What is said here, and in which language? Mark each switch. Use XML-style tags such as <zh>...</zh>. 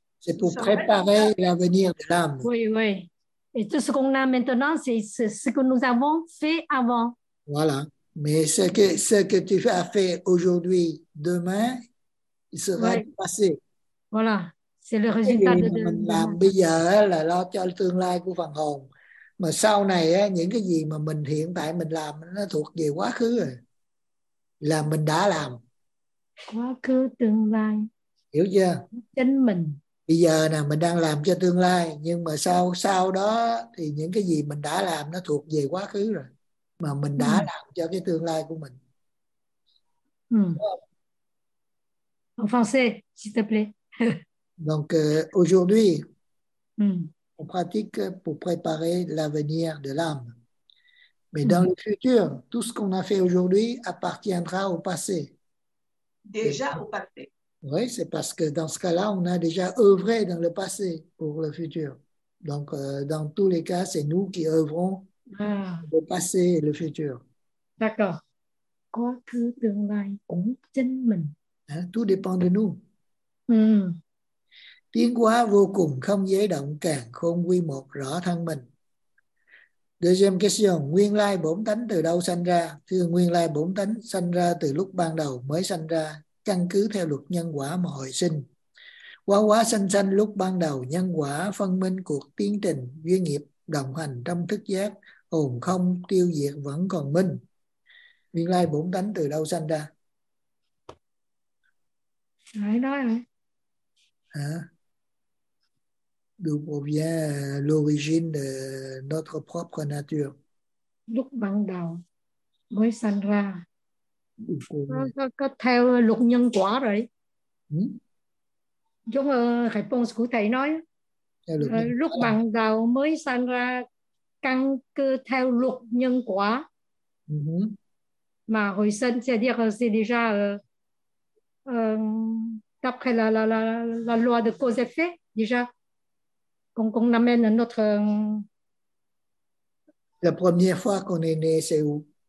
<fr>C'est pour préparer l'avenir de l'âme. Oui, oui. Et tout ce qu'on a maintenant, c'est ce que nous avons fait avant. Voilà. Mais ce que tu as fait aujourd'hui, demain, il sera passé. Voilà, c'est le résultat de</fr> <vi>làm bây giờ là lo cho tương lai của phần hồn. Mà sau này những cái gì mà mình hiện tại mình làm nó thuộc về quá khứ rồi. Là mình đã làm. Quá khứ, tương lai. Hiểu chưa? Chính mình. Bây giờ nè, mình đang làm cho tương lai. Nhưng mà sau đó thì những cái gì mình đã làm nó thuộc về quá khứ rồi. Mà mình đã làm cho cái tương lai của mình.</vi> <fr>En français, s'il te plaît. Donc, aujourd'hui, on pratique pour préparer l'avenir de l'âme. Mais dans le futur, tout ce qu'on a fait aujourd'hui appartiendra au passé. Déjà au passé. Oui, c'est parce que dans ce cas-là, on a déjà œuvré dans le passé pour le futur. Donc, dans tous les cas, c'est nous qui œuvrons le passé et le futur. D'accord.</fr> <vi>Quoi que tương lai cũng chính mình.</vi> <fr>Tout dépend de nous.</fr> <vi>Tiến hóa vô cùng không dễ động càng khôn quy một rõ thân mình.</vi> <fr>Deuxième question,</fr> <vi>nguyên lai bổn tánh từ đâu sanh ra? Thưa nguyên lai bổn tánh sanh ra từ lúc ban đầu mới sanh ra, căn cứ theo luật nhân quả mà hồi sinh. Quá quá sanh sanh lúc ban đầu nhân quả phân minh cuộc tiến trình duyên nghiệp đồng hành trong thức giác, hồn không tiêu diệt vẫn còn minh. Nguyên lai bổn tánh từ đâu sanh ra? Nói rồi.</vi> <fr>Hả? D'où provient l'origine de notre propre nature?</fr> <vi>Lúc ban đầu mới sanh ra. Có theo luật nhân quả rồi. Giống réponse của thầy nói. Lúc ban đầu mới sanh ra căn cơ theo luật nhân quả. Mà hồi sinh,</vi> <fr>c'est-à-dire c'est déjà d'après la loi de cause et effet déjà. Qu'on amène notre... La première fois qu'on est né, c'est où?</fr>